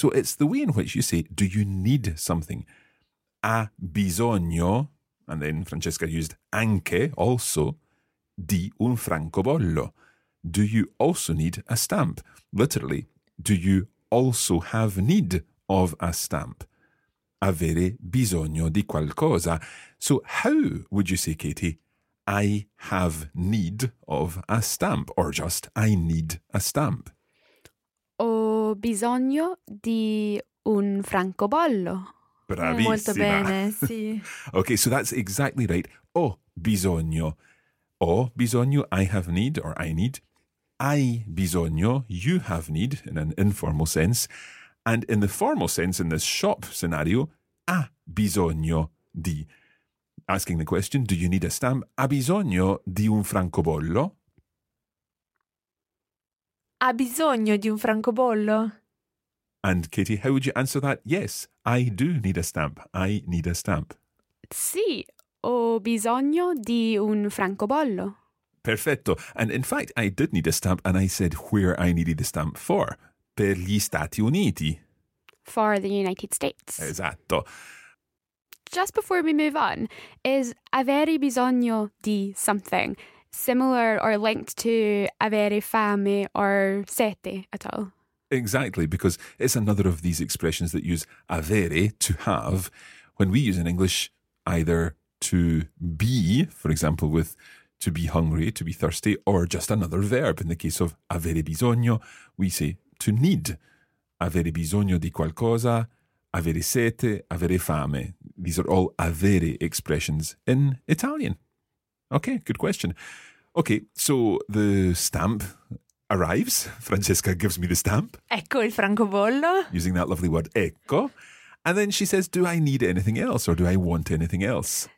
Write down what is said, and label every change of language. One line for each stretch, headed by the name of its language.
English: So it's the way in which you say, do you need something?
Italian: A bisogno,
English: and then Francesca used
Italian: anche, also, di un francobollo.
English: Do you also need a stamp? Literally, do you also have need of a stamp?
Italian: Avere bisogno di qualcosa.
English: So how would you say, Katie, I have need of a stamp, or just I need a stamp?
Italian: Ho bisogno di un francobollo. Bravissima. Molto bene, sì.
English: Okay, so that's exactly right.
Italian: Ho bisogno. Ho bisogno,
English: I have need, or I need.
Italian: Hai bisogno,
English: you have need, in an informal sense. And in the formal sense, in this shop scenario,
Italian: ha bisogno di.
English: Asking the question, do you need a stamp?
Italian: Ha bisogno di un francobollo? Ha bisogno di un francobollo?
English: And Katie, how would you answer that? Yes, I do need a stamp. I need a stamp.
Italian: Sì, Ho bisogno di un francobollo. Perfetto.
English: And in fact, I did need a stamp and I said where I needed the stamp for.
Italian: Per gli Stati Uniti.
English: For the United States.
Italian: Esatto.
English: Just before we move on, is
Italian: avere bisogno di
English: something similar or linked to
Italian: avere fame
English: or sete at all? Exactly, because it's another of these expressions that use avere, to have, when we use in English either to be, for example, with to be hungry, to be thirsty, or just another verb. In the case of avere bisogno, we say to need.
Italian: Avere bisogno di qualcosa, avere sete, avere fame.
English: These are all avere expressions in Italian. Okay, good question. Okay, so the stamp arrives. Francesca gives me the stamp.
Italian: Ecco il francobollo.
English: Using that lovely word, ecco. And then she says, do I need anything else or do I want anything else?